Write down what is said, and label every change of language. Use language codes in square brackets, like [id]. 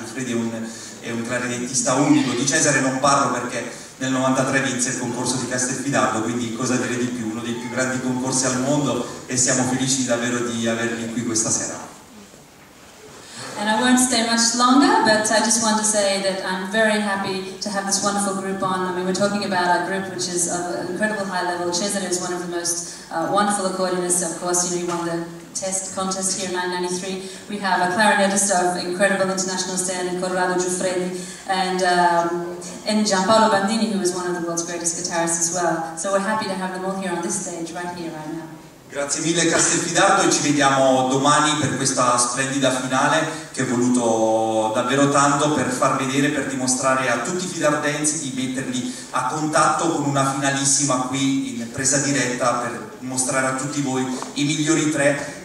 [it] Giuffredi è un clarinettista unico. Di Cesare non parlo perché nel 93 vinse il concorso di Castelfidardo, quindi cosa dire di più, uno dei più grandi concorsi al mondo, e siamo felici davvero di averli qui questa sera. [en] And I won't stay much longer, but I just want to say that I'm very happy to have this wonderful group on. I mean, we're talking about a group which is of an incredible high level. Cesare is one of the most wonderful accordionists, of course. You know, he won the test contest here in 1993. We have a clarinetist of incredible international standard, Corrado Giuffredi, and Giampaolo Bandini, who is one of the world's greatest guitarists as well. So we're happy to have them all here on this stage, right here, right now. [it] Grazie mille Castelfidardo e ci vediamo domani per questa splendida finale che ho voluto davvero tanto per far vedere, per dimostrare a tutti i fidardensi di metterli a contatto con una finalissima qui in presa diretta per mostrare a tutti voi i migliori tre.